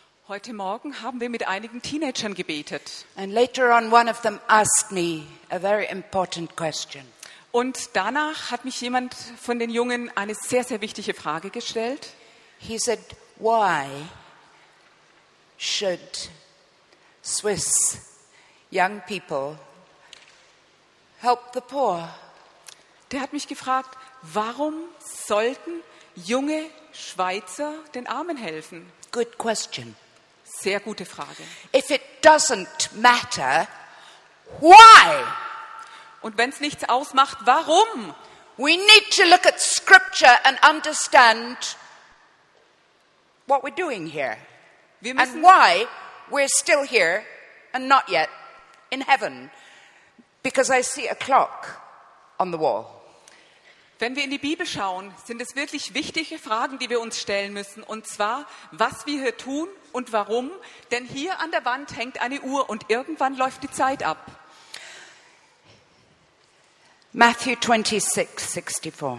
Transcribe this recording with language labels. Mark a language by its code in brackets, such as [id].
[de] Heute Morgen haben wir mit einigen Teenagern gebetet. [en] And later on one of them asked me a very important question. [de] Und danach hat mich jemand von den Jungen eine sehr, sehr wichtige Frage gestellt. [en] He said, why should Swiss young people help the poor? [de] Der hat mich gefragt, warum sollten junge Schweizer den Armen helfen? [en] Good question. [de] Sehr gute Frage. [en] If it doesn't matter, why? [de] Und wenn es nichts ausmacht, warum? [en] We need to look at scripture and understand what we're doing here. [de] Wir müssen [en] and why we're still here and not yet in heaven. Because I see a clock on the wall. [de] Wenn wir in die Bibel schauen, sind es wirklich wichtige Fragen, die wir uns stellen müssen. Und zwar, was wir hier tun und warum. Denn hier an der Wand hängt eine Uhr und irgendwann läuft die Zeit ab. [en] Matthew 26, 64.